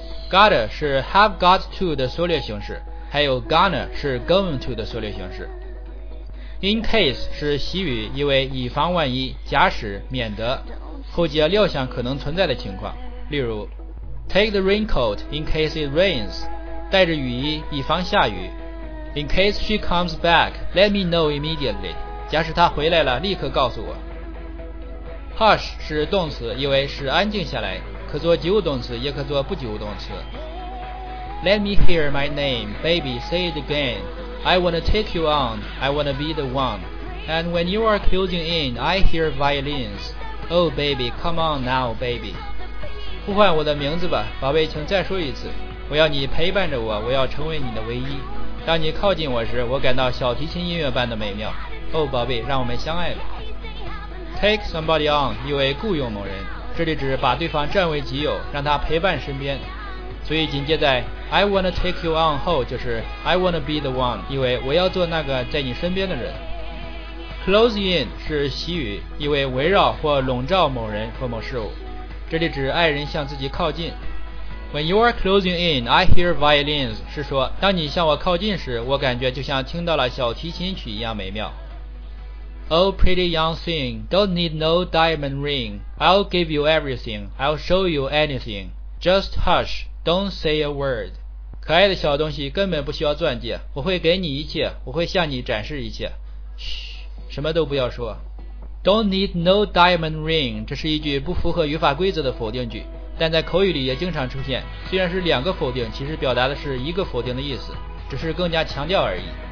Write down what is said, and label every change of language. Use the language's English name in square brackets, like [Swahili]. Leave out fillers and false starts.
[Chinese] Gotta 是 have got to 的缩略形式，还有 gonna 是 going to 的缩略形式。 In case 是习语，意为以防万一、假使、免得，后接料想可能存在的情况，例如 [English] Take the raincoat in case it rains， [Chinese] 带着雨衣以防下雨。 [English] In case she comes back, let me know immediately. [Chinese] 假使她回来了，立刻告诉我。 Hush 是动词，意为使安静下来，可做及物动词，也可做不及物动词。 [English] Let me hear my name, baby, say it again. I wanna take you on, I wanna be the one. And when you are closing in, I hear violins. Oh baby, come on now, baby. [Chinese] 呼唤我的名字吧，宝贝，请再说一次。我要你陪伴着我，我要成为你的唯一。当你靠近我时，我感到小提琴音乐般的美妙。哦，宝贝，让我们相爱吧。 Take somebody on 意为雇佣某人，这里指把对方占为己有，让他陪伴身边。所以紧接在 [English] I wanna take you on [Chinese] 后，就是 [English] I wanna be the one， [Chinese] 意为我要做那个在你身边的人。 Close in 是习语，意为围绕或笼罩某人或某事物，这里指爱人向自己靠近。 [English] When you are closing in, I hear violins [Chinese] 是说当你向我靠近时，我感觉就像听到了小提琴曲一样美妙。 [English] Oh pretty young thing, don't need no diamond ring. I'll give you everything, I'll show you anything. Just hush, don't say a word. [Chinese] 可爱的小东西，根本不需要钻戒，我会给你一切，我会向你展示一切，嘘，什么都不要说。 [English] Don't need no diamond ring [Chinese] 这是一句不符合语法规则的否定句，但在口语里也经常出现，虽然是两个否定，其实表达的是一个否定的意思，只是更加强调而已。